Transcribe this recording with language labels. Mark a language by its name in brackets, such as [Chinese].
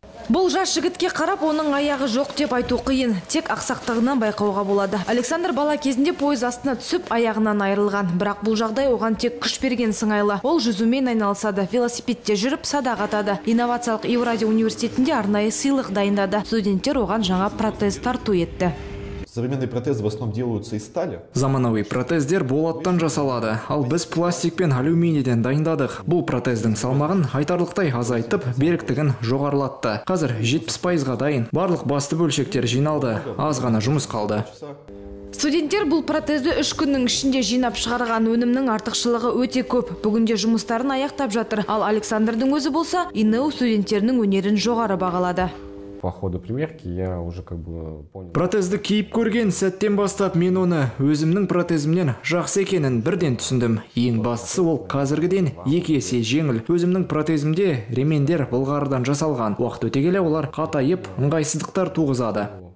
[Kazakh] Бұл жас жігітке қарап, оның аяғы жоқ деп айту қиын. Тек ақсақтығынан байқауға болады. Александр бала кезінде пойыз астына түсіп аяғынан айрылған. Бірақ бұл жағдай оған тек күш берген сыңайлы. Ол жүзумен айналысады, велосипедте жүріп садақ атады. Инновациялық Еуразия университетінде арнайы сыйлық дайындады. Студенттер оған жаңа протез тарту етті. [Russian] Современные протезы в основном делаются из стали. [Kazakh] Замановый протез дер болаттан жасалады. Ал біз пластик пен алюминийден дайындадық. Бұл протездің салмағын айтарлықтай азайтып, беріктігін жоғарлатты. Қазір 70%-ға дайын. Барлық басты бөлшектер жиналды. Аз ғана жұмыс қалды. Студенттер бұл протезді 3 күннің ішінде жинап шығарған. Өнімнің артықшылығы өте көп. Бүгінде жұмыстарын аяқтап жатыр. Ал Александрдың өзі болса, ИНУ студенттерінің өнерін жоғары бағалады. [Russian] По ходу примерки я уже как бы понял. [Kazakh] Протезді киіп көрген сәттен бастап мен оны өзімнің протезімнен жақсы екенін бірден түсіндім. Ең бастысы ол қазіргіден екі есе жеңіл. Өзімнің протезімде ремендер былғарыдан жасалған. Уақыт өте келе олар қатайып, ыңғайсыздықтар туғызады.